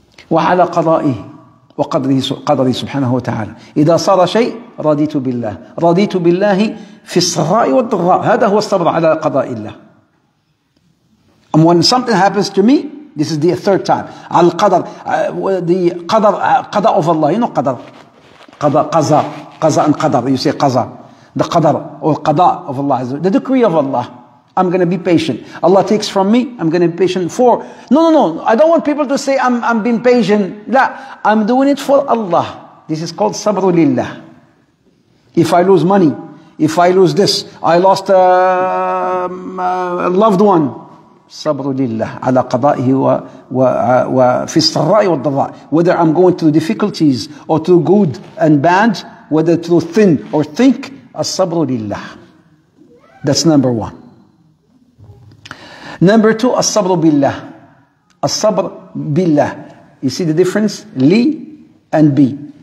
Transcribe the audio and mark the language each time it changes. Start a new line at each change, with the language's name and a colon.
Arabic: وعلى قضائه وقدره قدره سبحانه وتعالى إذا صار شيء رضيت بالله رضيت بالله في السراء والضراء. هذا هو الصبر على قضاء الله.
English: And when something happens to me, this is the third time. Al-Qadr, the Qadr, Qadr of Allah. You know Qadr? Qadr, Qaza, Qaza and Qadr. You say Qaza. The Qadr or Qada of Allah. The decree of Allah. I'm going to be patient. Allah takes from me, I'm going to be patient for. No. I don't want people to say I'm being patient. La, I'm doing it for Allah. This is called Sabru Lillah. If I lose money, if I lose this, I lost a loved one.
Arabic: صبر لله على قضائه وفي السراء والضراء.
English: Whether I'm going through difficulties or through good and bad, whether through thin or thick,
Arabic: الصبر لله.
English: That's number one. Number two,
Arabic: الصبر بالله. الصبر بالله.
English: You see the difference? لي and B.